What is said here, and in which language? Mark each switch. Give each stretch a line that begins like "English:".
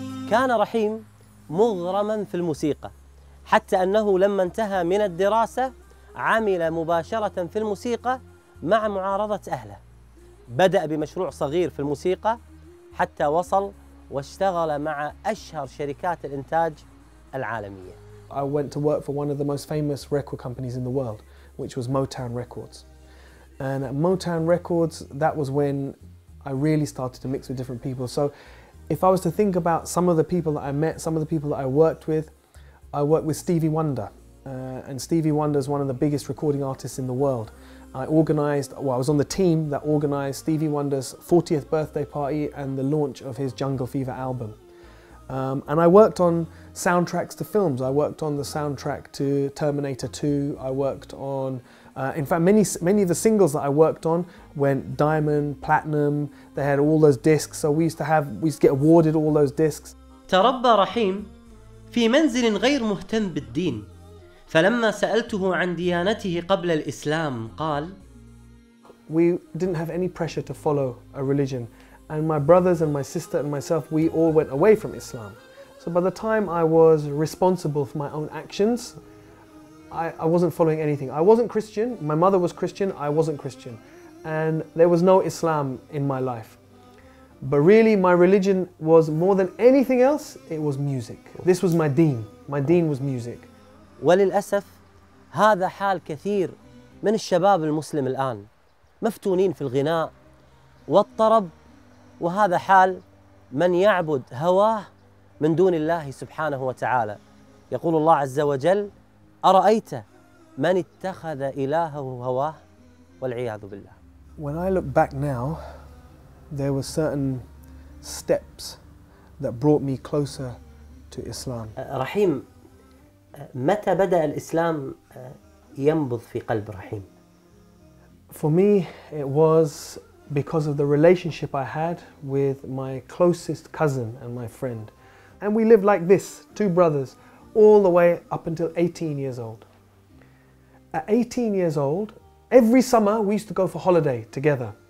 Arabic: كان رحيم مغرما في الموسيقى حتى أنه لما انتهى من الدراسة عمل مباشرة في الموسيقى مع معارضة أهله بدأ بمشروع صغير في الموسيقى حتى وصل واشتغل مع أشهر شركات الإنتاج العالمية
English: I went to work for one of the most famous record companies in the world which was Motown Records and at Motown Records that was when I really started to mix with different people so if I was to think about some of the people that I met some of the people that I worked with I work with Stevie Wonder, and Stevie Wonder is one of the biggest recording artists in the world. I was on the team that organized Stevie Wonder's 40th birthday party and the launch of his Jungle Fever album. And I worked on soundtracks to films. I worked on the soundtrack to Terminator 2. I worked on, in fact, many of the singles that I worked on went diamond, platinum. They had all those discs, so we used to get awarded all those discs.
Arabic: تربى رحيم في منزل غير مهتم بالدين فلما سألته عن ديانته قبل الإسلام قال
English: We didn't have any pressure to follow a religion and my brothers and my sister and myself we all went away from Islam so by the time I was responsible for my own actions I wasn't following anything. I wasn't Christian. My mother was Christian. I wasn't Christian. And there was no Islam in my life. But really, my religion was more than anything else, it was music. This was my deen. My deen was music.
Arabic: وللأسف هذا حال كثير من الشباب المسلم الآن مفتونين في الغناء والطرب وهذا حال من يعبد هواه من دون الله سبحانه وتعالى يقول الله عز وجل أرأيت من اتخذ إلهه هواه والعياذ بالله.
English: When I look back now, there were certain steps that brought me closer to Islam.
Arabic: رحيم متى بدأ الإسلام ينبض في قلب رحيم؟
English: For me, it was because of the relationship I had with my closest cousin and my friend. And we lived like this, two brothers, all the way up until 18 years old. At 18 years old, every summer we used to go for holiday together.